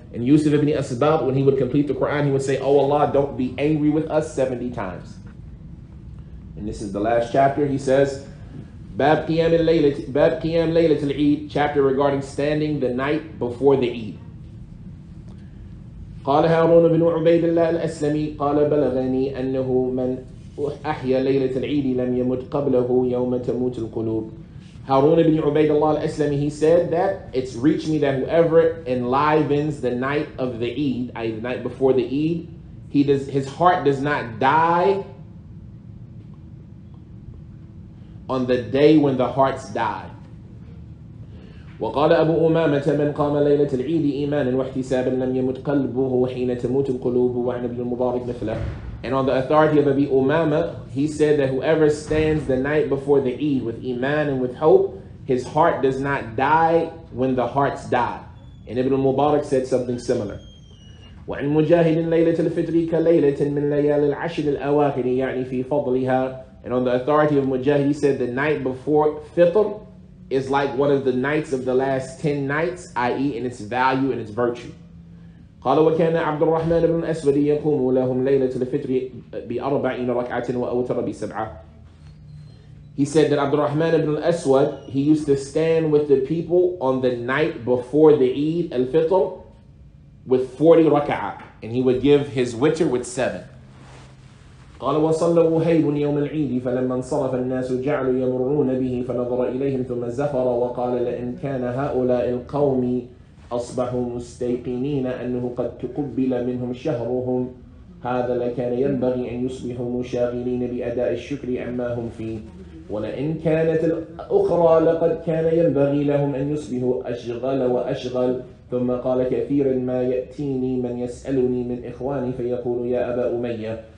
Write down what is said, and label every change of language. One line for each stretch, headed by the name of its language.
English: And Yusuf ibn Asbat, when he would complete the Quran, he would say, oh Allah, don't be angry with us 70 times. And this is the last chapter. He says, Bab Qiyam Laylat al-Eid, chapter regarding standing the night before the Eid.
Arabic: قال هارون بن عبيد الله الأسلمي قال بلغني أنه من أحيى ليلة العيد لم يمت قبله يوم تموت القلوب.
English: هارون بن عبيد الله الأسلمي, he said that it's reached me that whoever enlivens the night of the Eid, i.e. the night before the Eid, his heart does not die on the day when the hearts die.
Arabic: وقال أبو أمامة من قام ليلة العيد إيمانا واحتسابا لم يمت قلبه حين تموت القلوب وعن ابن المبارك مثله.
English: And on the authority of Abi Umama, he said that whoever stands the night before the Eid with Iman and with hope, his heart does not die when the hearts die. And Ibn al-Mubarak said something similar.
Arabic: وَعِنْ مُجَاهِدٍ لَيْلَةَ الْفِطْرِ كَلَيْلَةٍ مِنْ لَيَالِ الْعَشْرِ الْأَوَاخِرِ يَعْنِي فِي فَضْلِهَا.
English: And on the authority of Mujahid, he said the night before Fitr is like one of the nights of the last 10 nights, i.e. in its value and its virtue.
Arabic: قال وكان عبد الرحمن بن الأسود يقوم لهم ليلة الفطر بأربعين ركعة وأوتر بسبعة.
English: He said that عبد الرحمن بن الأسود, he used to stand with the people on the night before the Eid al-Fitr with 40 ركعة, and he would give his witr with 7.
Arabic: قال وصلى وهيب يوم العيد فلما انصرف الناس جعلوا يمرون به فنظر إليهم ثم زفر وقال لئن كان هؤلاء القوم أصبحوا مستيقنين أنه قد تقبل منهم شهرهم هذا لكان ينبغي أن يصبحوا مشاغلين بأداء الشكر عما هم فيه ولئن كانت الأخرى لقد كان ينبغي لهم أن يصبحوا أشغل وأشغل ثم قال كثيرا ما يأتيني من يسألني من إخواني فيقول يا أبا أمية